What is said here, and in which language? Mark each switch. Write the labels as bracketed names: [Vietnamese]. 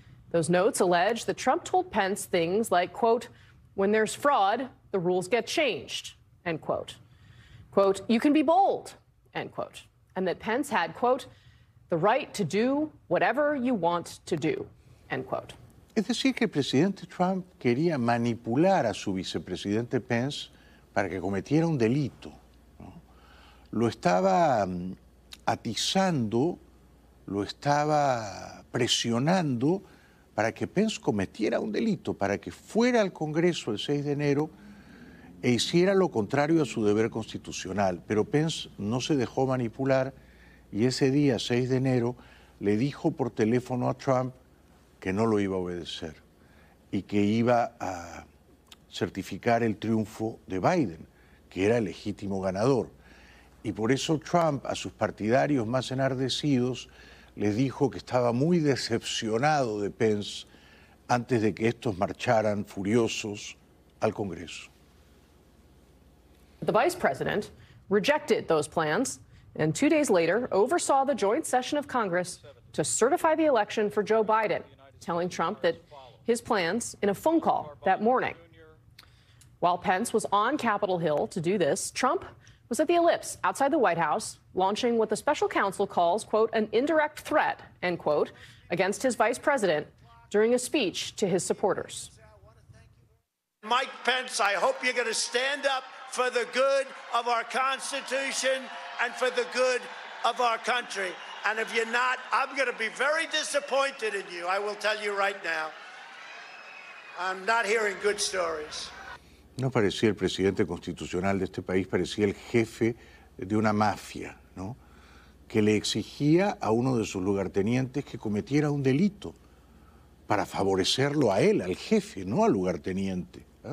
[English] Those notes allege that Trump told Pence things like, quote, when there's fraud, the rules get changed, end quote. Quote, you can be bold, end quote. And that Pence had, quote, the right to do whatever you want to do, end quote. [Spanish] Es decir, que el presidente Trump quería manipular a su vicepresidente Pence para que cometiera un delito, ¿no? Lo estaba atizando, lo estaba presionando para que Pence cometiera un delito, para que fuera al Congreso el 6 de enero e hiciera lo contrario a su deber constitucional. Pero Pence no se dejó manipular y ese día, 6 de enero, le dijo por teléfono a Trump que no lo iba a obedecer y que iba a certificar el triunfo de Biden, que era el legítimo ganador. Y por eso Trump, a sus partidarios más enardecidos, les dijo que estaba muy decepcionado de Pence antes de que estos marcharan furiosos al Congreso. [English] The vice president rejected those plans and 2 days later oversaw the joint session of Congress to certify the election for Joe Biden, telling Trump that his plans in a phone call that morning. While Pence was on Capitol Hill to do this, Trump was at the Ellipse outside the White House, launching what the special counsel calls, quote, an indirect threat, end quote, against his vice president during a speech to his supporters. Mike Pence, I hope you're going to stand up for the good of our Constitution and for the good of our country. And if you're not, I'm going to be very disappointed in you. I will tell you right now. I'm not hearing good stories. [Spanish] No parecía el presidente constitucional de este país, parecía el jefe de una mafia, ¿no? Que le exigía a uno de sus lugartenientes que cometiera un delito para favorecerlo a él, al jefe, no al lugarteniente.